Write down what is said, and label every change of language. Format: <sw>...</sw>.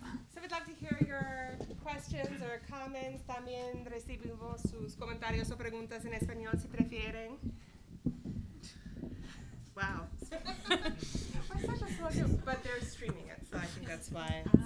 <en>So we'd love to hear your questions or comments.</en> <es>También recibimos sus comentarios o preguntas en español si prefieren.</es> <en>Wow. We're such a slow group, but they're streaming it, so I think that's why.</en>